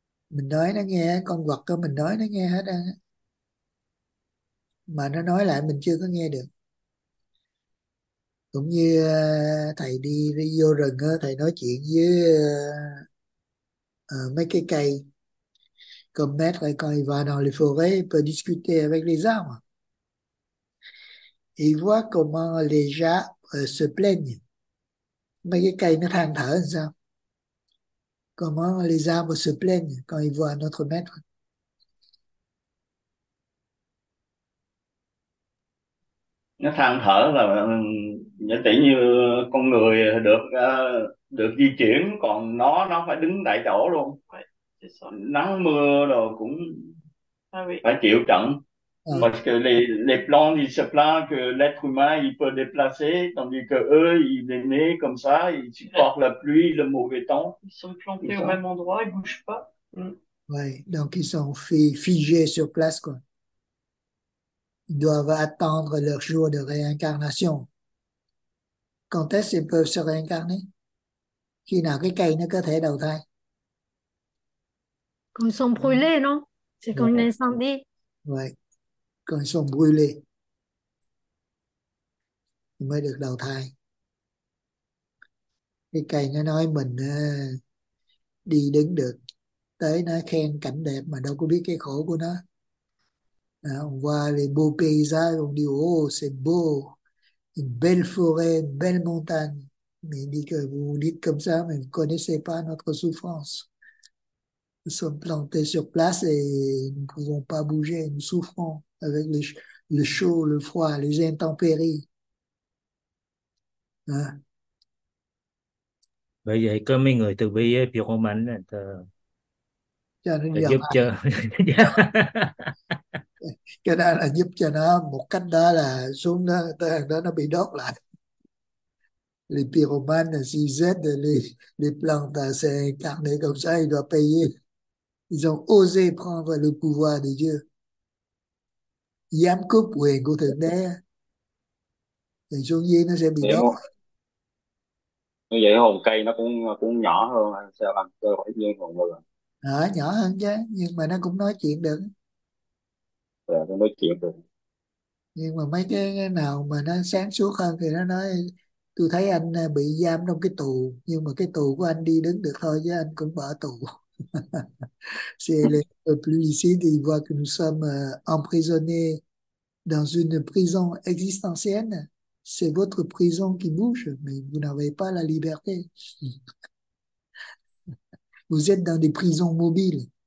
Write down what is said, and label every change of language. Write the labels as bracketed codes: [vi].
[vi] Mình nói nó nghe, con vật cơ mình nói nó nghe hết á. Mà nó nói lại mình chưa có nghe được. Cũng như thầy đi vô rừng, thầy nói chuyện với mấy cái cây. [fr] Comme maître, quand il va dans les forêts, il peut discuter avec les arbres. Il voit comment les arbres se plaignent. [vi] Mấy cái cây nó than thở làm sao? [fr] Comment les arbres se plaignent quand ils voient notre maître? [vi] Nó than thở là nhỉ, tỉ như con người được được di chuyển, còn nó phải đứng tại chỗ luôn. Nắng mưa rồi cũng phải chịu trận. [fr] Parce que les plantes ils se plaignent que l'être humain il peut déplacer, tandis que eux ils sont nés comme ça, ils supportent la pluie, le mauvais temps. Ils sont plantés au même endroit, ils bougent pas. Ouais, donc ils sont figés sur place quoi. Ils doivent attendre leur jour de réincarnation. Quand est-ce qu'ils peuvent se réincarner? [vi] Khi nào cái cây nó có thể đầu thai? [fr] Quand ils sont brûlés, non? C'est comme un incendie. Ouais. Quand ils sont brûlés, ils [vi] mới được đầu thai. Cái cây nó nói mình đi đứng được, tới nó khen cảnh đẹp mà đâu có biết cái khổ của nó. [fr] On voit les beaux paysages, on dit oh c'est beau, une belle forêt, une belle montagne. Mais il dit que vous dites comme ça, mais vous ne connaissez pas notre souffrance. Nous sommes plantés sur place et nous ne pouvons pas bouger, nous souffrons avec le chaud, le froid, les intempéries. Hein? [vi] Bởi vậy có mấy người từ bi ấy, Pierre Romain là cho nó giúp mà. Cho cái đó là giúp cho nó một cách, đó là xuống đó tới hàng đó nó bị đốt lại. [fr] Les pyromanes, s'ils aident les plantes à s'incarner comme ça, ils doivent payer. Ils ont osé prendre le pouvoir de Dieu. [vi] Giám cướp quyền của Thượng Đế. Thì xuống dưới nó sẽ bị đốt. Như vậy hồn cây nó cũng nhỏ hơn sẽ làm cơ hội như hồn người. À, nhỏ hơn chứ, nhưng mà nó cũng nói chuyện được. Nó nói chuyện được. Nhưng mà mấy cái nào mà nó sáng suốt hơn thì nó nói Tôi thấy anh bị giam trong cái tù, nhưng mà cái tù của anh đi đứng được thôi chứ anh cũng bỏ tù. [fr] C'est le policier qui voit que nous sommes emprisonnés dans une prison existentielle. C'est votre prison qui bouge, mais vous n'avez pas la liberté. Vous êtes dans des prisons mobiles.